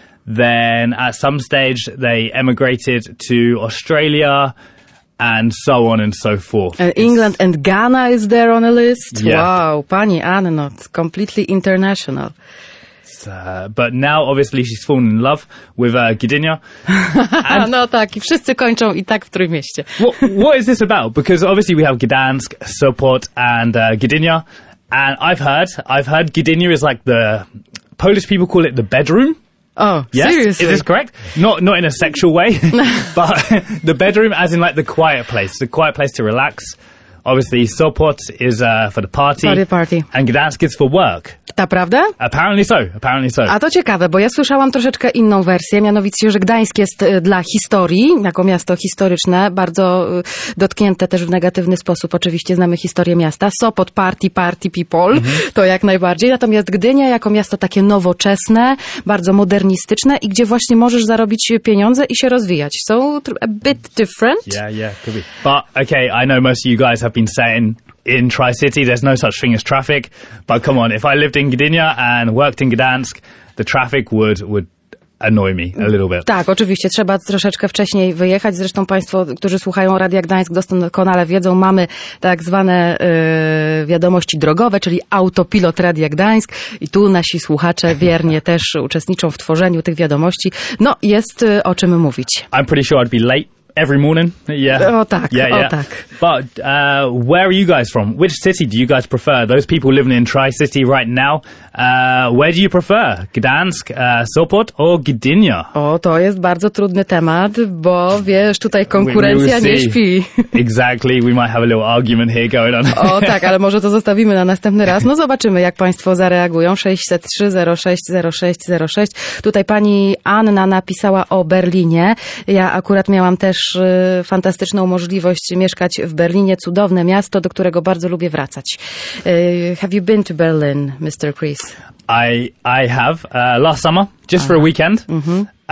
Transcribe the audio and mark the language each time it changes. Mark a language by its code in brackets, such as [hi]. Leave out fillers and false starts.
[en] Then at some stage, they emigrated to Australia and so on and so forth. And England and Ghana is there on a list. Yeah. Wow, Pani Ananot, completely international. But now, obviously, she's fallen in love with Gdynia. [pl] No tak, i wszyscy kończą i tak w Trójmieście. [en] What is this about? Because obviously we have Gdansk, Sopot and Gdynia. And I've heard Gdynia is like the, Polish people call it the bedroom. Oh, yes? Seriously? Is this correct? Not in a sexual way, but the bedroom as in like the quiet place to relax. Obviously, Sopot is for the party. For the party. And Gdansk is for work. [pl] Ta prawda? [en] Apparently so. [pl] A to ciekawe, bo ja słyszałam troszeczkę inną wersję, mianowicie, że Gdańsk jest dla historii, jako miasto historyczne, bardzo dotknięte też w negatywny sposób. Oczywiście znamy historię miasta. [en] Sopot, party people, mm-hmm. [pl] to jak najbardziej. Natomiast Gdynia jako miasto takie nowoczesne, bardzo modernistyczne i gdzie właśnie możesz zarobić pieniądze i się rozwijać. [en] So, a bit different. Yeah, could be. But, okay, I know most of you guys have been saying in Tri-City, there's no such thing as traffic. But come on, if I lived in Gdynia and worked in Gdansk, the traffic would annoy me a little bit. [pl] Tak, oczywiście, trzeba troszeczkę wcześniej wyjechać. Zresztą państwo, którzy słuchają Radia Gdańsk, doskonale wiedzą, mamy tak zwane wiadomości drogowe, czyli autopilot Radia Gdańsk. I tu nasi słuchacze wiernie też uczestniczą w tworzeniu tych wiadomości. No, jest o czym mówić. [en] I'm pretty sure I'd be late. Every morning, yeah. Oh, tak, yeah, yeah. Oh, tak. But where are you guys from? Which city do you guys prefer? Those people living in Tri-City right now, where do you prefer? Gdansk, Sopot or Gdynia? [pl] Oh, to jest bardzo trudny temat, bo wiesz, tutaj konkurencja nie śpi. [en] Exactly, we might have a little argument here going on. [pl] Oh, tak, ale może to zostawimy na następny raz. No zobaczymy, jak państwo zareagują. 603-06-06-06. Tutaj pani Anna napisała o Berlinie. Ja akurat miałam też fantastyczną możliwość mieszkać w Berlinie, cudowne miasto, do którego bardzo lubię wracać. [en] Have you been to Berlin, Mr. Chris? I have last summer, just for a weekend. Mm-hmm.